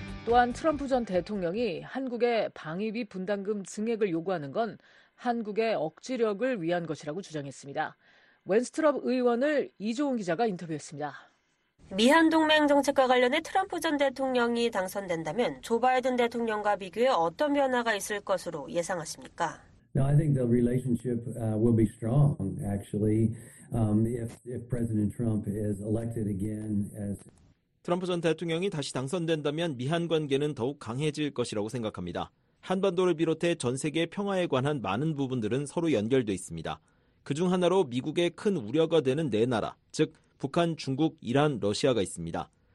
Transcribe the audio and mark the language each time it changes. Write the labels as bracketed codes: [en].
[ko] 또한 트럼프 전 대통령이 한국의 방위비 분담금 증액을 요구하는 건 한국의 억지력을 위한 것이라고 주장했습니다. 웬스트럽 의원을 이조은 기자가 인터뷰했습니다. 미한 동맹 정책과 관련해 트럼프 전 대통령이 당선된다면 조 바이든 대통령과 비교해 어떤 변화가 있을 것으로 예상하십니까? [en] No, I think the relationship will be strong actually. If President Trump is elected again as [ko] 트럼프 전 대통령이 다시 당선된다면 미한 관계는 더욱 강해질 것이라고 생각합니다. 한반도를 비롯해 전 세계 평화에 관한 많은 부분들은 서로 연결돼 있습니다. 그중 하나로 미국의 큰 우려가 되는 네 나라, 즉 북한, 중국, 이란, 러시아가 있습니다.